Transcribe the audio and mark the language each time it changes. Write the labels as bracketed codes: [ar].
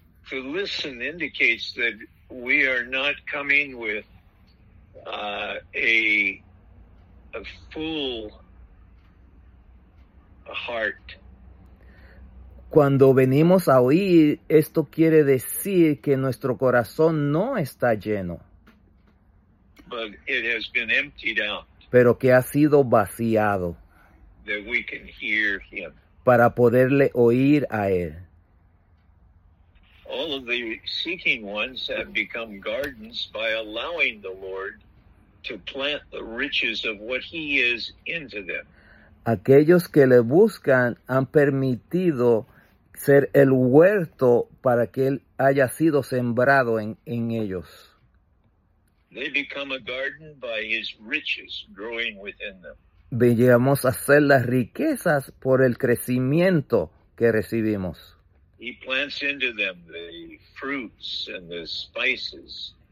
[en] To listen indicates that we are not coming with a full heart. [es] Cuando venimos a oír, esto quiere decir que nuestro corazón no está lleno. [en] But it has been emptied out. [es] Pero que ha sido vaciado. [en] That we can hear him. [es] Para poderle oír a él. [en] All of the seeking ones have become gardens by allowing the Lord to plant the riches of what he is into them. [es] Aquellos que le buscan han permitido ser el huerto para que él haya sido sembrado en ellos. [en] They become a garden by his riches growing within them. [es] Llegamos a ser las riquezas por el crecimiento que recibimos. [en] He plants into them the fruits and the spices.